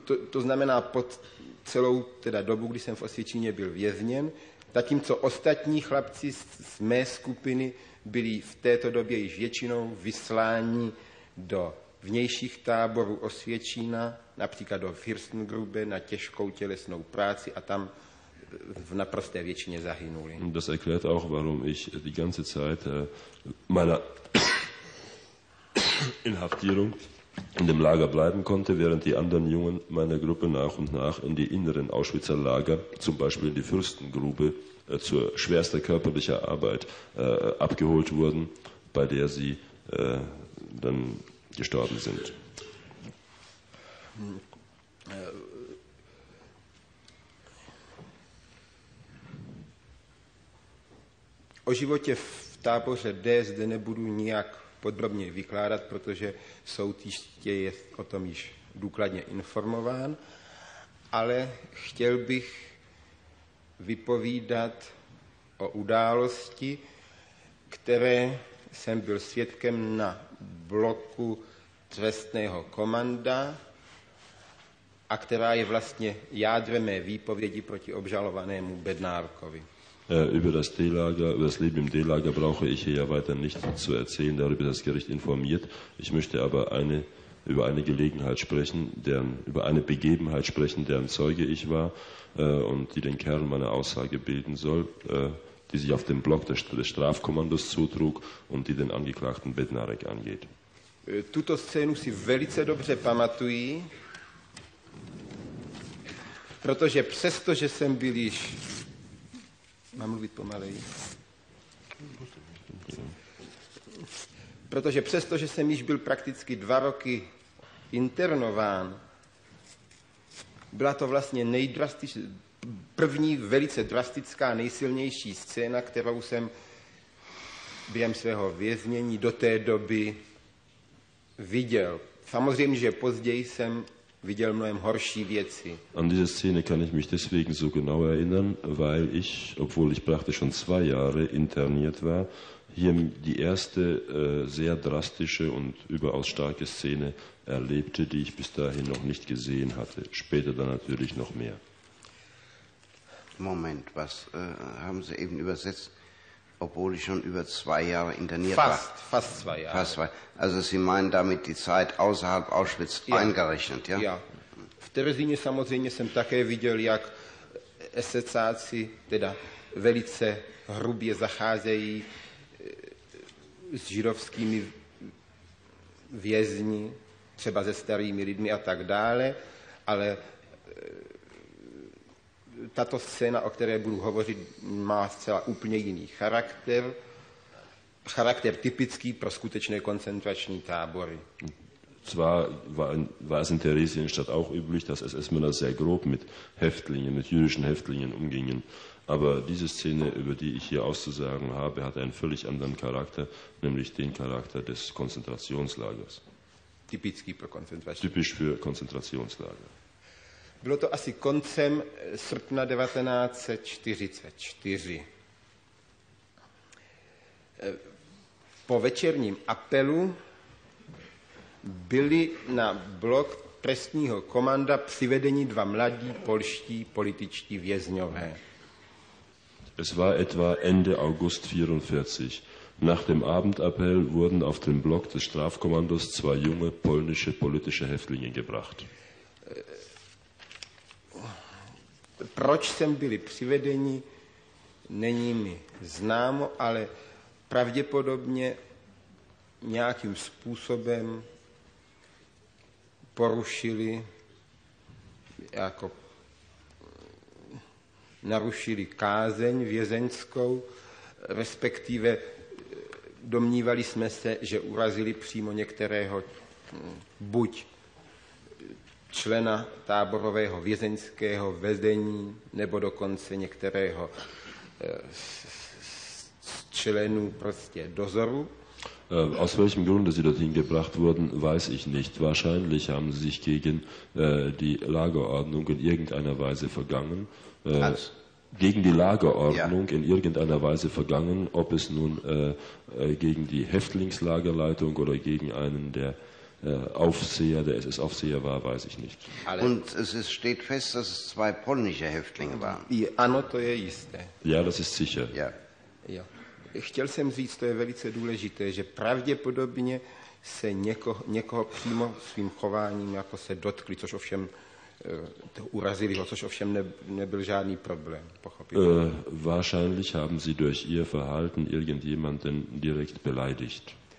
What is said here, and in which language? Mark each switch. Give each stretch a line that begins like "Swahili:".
Czech: To znamená po celou teda dobu, kdy jsem v Osvětíně byl vězněn, zatímco ostatní chlapci z mé skupiny byli v této době již většinou vysláni do vnějších táborů Osvětína, například do Fürstengrube na těžkou tělesnou práci a tam v naprosté většině zahynuli.
German: Das erklärt auch, warum ich die ganze Zeit meiner Inhaftierung in dem Lager bleiben konnte, während die anderen Jungen meiner Gruppe nach und nach in die inneren Auschwitzer Lager, zum Beispiel in die Fürstengrube, zur schwersten körperlichen Arbeit abgeholt wurden, bei der sie dann gestorben sind.
Czech: O životě v táboře D zde nebudu nijak podrobně vykládat, protože soutěžitel je o tom již důkladně informován, ale chtěl bych vypovídat o události, které jsem byl svědkem na bloku trestného komanda a která je vlastně jádrem mé výpovědi proti obžalovanému Bednárkovi.
German: Über das D-Lager, über das Leben im D-Lager brauche ich hier ja weiter nicht zu erzählen, darüber ist das Gericht informiert. Ich möchte aber über eine Begebenheit sprechen, deren Zeuge ich war und die den Kern meiner Aussage bilden soll, die sich auf dem Block des Strafkommandos zutrug und die den Angeklagten Bednarek angeht.
Czech: Tuto scénu si velice dobře pamatuji, protože přesto, že jsem byl již Mám mluvit pomaleji. Protože přesto, že jsem již byl prakticky 2 roky internován, byla to vlastně první velice drastická, nejsilnější scéna, kterou jsem během svého věznění do té doby viděl. Samozřejmě, že později jsem viděl mnohem horší věci.
German: An diese Szene kann ich mich deswegen so genau erinnern, weil ich, obwohl ich praktisch schon 2 Jahre interniert war, hier die erste sehr drastische und überaus starke Szene erlebte, die ich bis dahin noch nicht gesehen hatte. Später dann natürlich noch mehr. Moment, was haben Sie eben übersetzt? Obwohl ich schon über 2 Jahre interniert war. Fast 2 Jahre. Also Sie meinen damit die Zeit außerhalb Auschwitz eingerechnet, ja? Ja.
Czech: V Terezíně samozřejmě jsem také viděl, jak SS-áci teda velice hrubě zacházejí s židovskými vězni, třeba se starými lidmi a tak dále, ale tato scéna, o které budu hovořit, má zcela úplně jiný charakter. Charakter typický pro skutečné koncentrační tábory.
German: Zwar war es in Theresienstadt auch üblich, dass SS-Männer sehr grob mit jüdischen Häftlingen umgingen. Aber diese Szene, über die ich hier auszusagen habe, hat einen völlig anderen Charakter, nämlich den Charakter des Konzentrationslagers.
Czech: Typický pro koncentrační.
German: Typisch für Konzentrationslager.
Czech: Bylo to asi koncem srpna 1944. Po večerním apelu byli na blok trestního komanda přivedeni dva mladí polští političtí vězňové.
German: Es war etwa Ende August 44. Nach dem Abendappell wurden auf den Block des Strafkommandos zwei junge polnische politische Häftlinge gebracht.
Czech: Proč sem byli přivedeni, není mi známo, ale pravděpodobně nějakým způsobem porušili, jako narušili kázeň vězeňskou, respektive domnívali jsme se, že urazili přímo některého buď člena táborového vězeňského vedení, nebo dokonce některého z členů prostě dozoru.
German: Aus welchem Grunde sie dorthin gebracht wurden, weiß ich nicht. Wahrscheinlich haben sie sich gegen die Lagerordnung in irgendeiner Weise vergangen. Gegen die Lagerordnung in irgendeiner Weise vergangen, ob es nun gegen die Häftlingslagerleitung oder gegen einen der Aufseher, der SS-Aufseher war, weiß ich nicht. Und es steht fest, dass es zwei polnische Häftlinge waren. Ja, das ist sicher. Ja.
Czech: Chtěl jsem říct, to je velice důležité, že pravděpodobně se někoho přímo svým chováním jako se dotkli, což ovšem urazili ho, což ovšem nebyl žádný problém, pochopitelně.
German: Wahrscheinlich haben sie durch ihr Verhalten irgendjemanden direkt beleidigt.